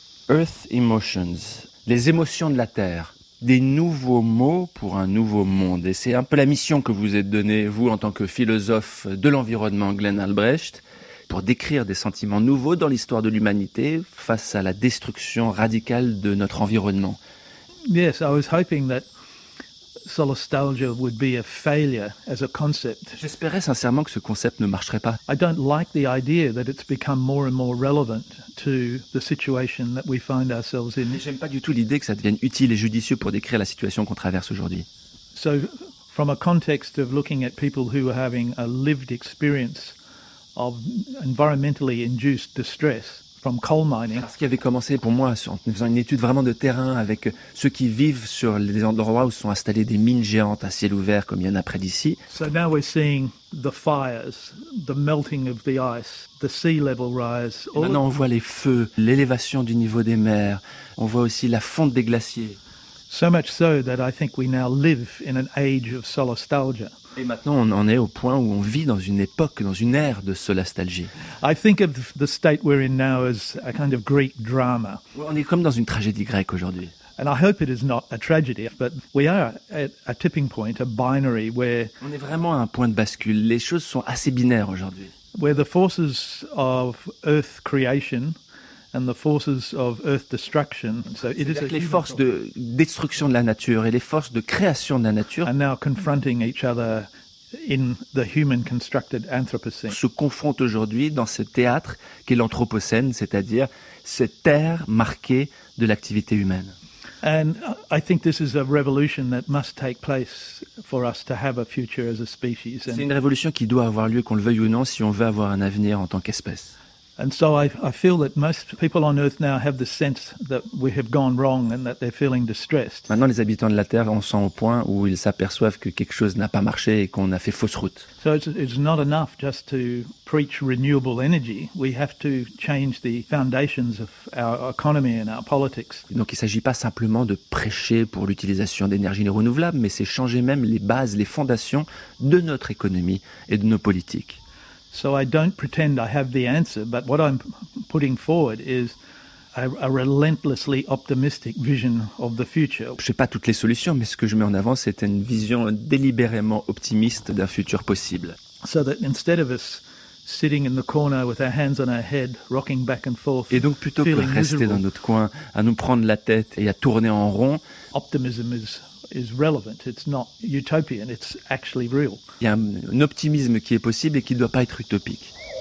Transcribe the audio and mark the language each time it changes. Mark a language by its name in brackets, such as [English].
[French] Earth Emotions, les émotions de la Terre, des nouveaux mots pour un nouveau monde. Et c'est un peu la mission que vous êtes donnée, vous, en tant que philosophe de l'environnement, Glenn Albrecht, pour décrire des sentiments nouveaux dans l'histoire de l'humanité face à la destruction radicale de notre environnement. [English] Yes, I was hoping that solastalgia would be a failure as a concept. [French] J'espérais sincèrement que ce concept ne marcherait pas. [English] I don't like the idea that it's become more and more relevant to the situation that we find ourselves in. [French] J'aime pas du tout l'idée que ça devienne utile et judicieux pour décrire la situation qu'on traverse aujourd'hui. [English] So, from a context of looking at people who are having a lived experience of environmentally induced distress. From coal mining. [French] Ce qui avait commencé pour moi en faisant une étude vraiment de terrain avec ceux qui vivent sur les endroits où sont installées des mines géantes à ciel ouvert comme il y en a près d'ici. [English] So now we're seeing the fires, the melting of the ice, the sea level rise. [French] Maintenant on voit les feux, l'élévation du niveau des mers, on voit aussi la fonte des glaciers. [English] So much so that I think we now live in an age of solastalgia. [French] Et maintenant, on en est au point où on vit dans une époque, dans une ère de solastalgie. [English] I think of the state we're in now as a kind of Greek drama. [French] On est comme dans une tragédie grecque aujourd'hui. [English] And I hope it is not a tragedy, but we are at a tipping point, a binary where. [French] On est vraiment à un point de bascule. Les choses sont assez binaires aujourd'hui. [English] Where the forces of Earth creation and the forces of earth destruction. So it is [French] les forces de destruction de la nature et les forces de création de la nature [English] are now confronting each other in the human constructed anthropocene. [French] Se confrontent aujourd'hui dans ce théâtre qui est l'anthropocène, c'est-à-dire cette terre marquée de l'activité humaine. [English] And I think this is a revolution that must take place for us to have a future as a species. [French] C'est une révolution qui doit avoir lieu, qu'on le veuille ou non, si on veut avoir un avenir en tant qu'espèce. [English] And so I feel that most people on Earth now have the sense that we have gone wrong and that they're feeling distressed. [French] Maintenant, les habitants de la Terre en sont au point où ils s'aperçoivent que quelque chose n'a pas marché et qu'on a fait fausse route. [English] So it's not enough just to preach renewable energy. We have to change the foundations of our economy and our politics. [French] Donc, il ne s'agit pas simplement de prêcher pour l'utilisation d'énergies renouvelables, mais c'est changer même les bases, les fondations de notre économie et de nos politiques. [English] So I don't pretend I have the answer, but what I'm putting forward is a relentlessly optimistic vision of the future. [French] Je n'ai pas toutes les solutions, mais ce que je mets en avant, c'est une vision délibérément optimiste d'un futur possible. [English] So that instead of us sitting in the corner with our hands on our head, rocking back and forth, [French] et donc plutôt que rester dans notre coin, à nous prendre la tête et à tourner en rond, [English] optimism is relevant. It's not utopian. It's actually real. [French] Il y a un optimisme qui est possible et qui ne doit pas être utopique.